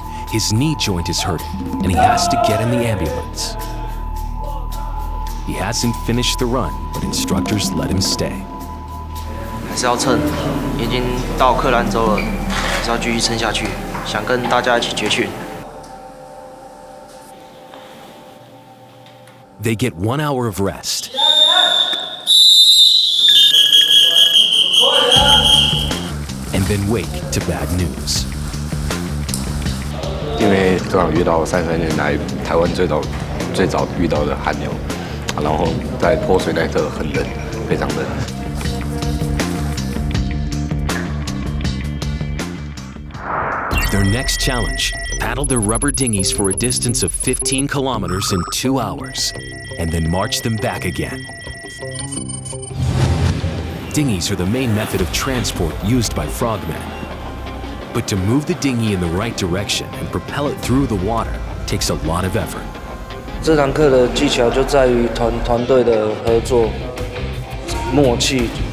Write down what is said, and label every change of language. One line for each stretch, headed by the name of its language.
English: His knee joint is hurting, and he has to get in the ambulance. He hasn't finished the run, but instructors let him stay.
Chinese: 还是要撑，已经到克兰州了，还是要继续撑下去，想跟大家一起绝训。
English: They get 1 hour of rest. And then wake to bad news.
Chinese: 因为刚好遇到三十年来台湾最早遇到的寒流，然后在泼水那一刻很冷，非常冷。
English: Their next challenge, paddle their rubber dinghies for a distance of 15 kilometers in 2 hours, and then march them back again. Dinghies are the main method of transport used by frogmen. But to move the dinghy in the right direction and propel it through the water takes a lot of effort.
Chinese: 这堂课的技巧就在于团队的合作默契。